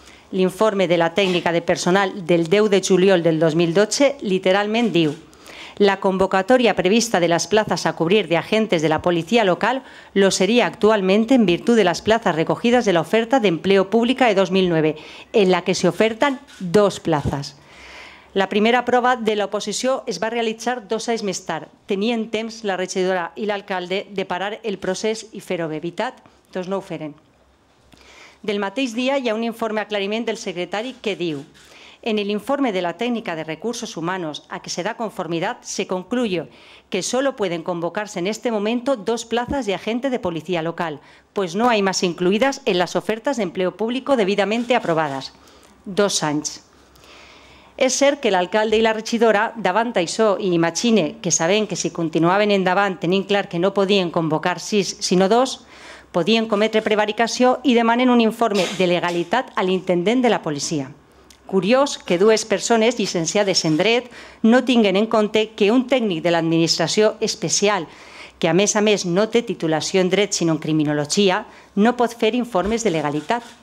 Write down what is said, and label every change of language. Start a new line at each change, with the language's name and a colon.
Catalan: L'informe de la tècnica de personal del 10 de juliol del 2012 literalment diu: la convocatòria prevista de les places a cobrir de agentes de la policia local lo seria actualment en virtut de les places recogides de l'oferta d'empleo pública de 2009, en la que s'oferten 2 places. La primera prova de l'oposició es va realitzar 2 anys més tard. Tenien temps la regidora i l'alcalde de parar el procés i fer-ho bé. Veritat? Doncs no ho feren. Del mateix dia hi ha un informe aclariment del secretari que diu:
Spanish: en el informe de la tècnica de recursos humanos a que se da conformidad se concluye que solo pueden convocarse en este momento 2 plazas de agente de policía local, pues no hay más incluidas en las ofertas de empleo público debidamente aprobadas.
Catalan: 2 anys. És cert que l'alcalde i la regidora, davant d'això, i imagine que sabent que si continuaven endavant tenint clar que no podien convocar 6 sinó 2, podien cometre prevaricació i demanen un informe de legalitat a l'intendent de la policia. Curiós que 2 persones llicenciades en dret no tinguen en compte que un tècnic de l'administració especial, que a més no té titulació en dret sinó en criminologia, no pot fer informes de legalitat.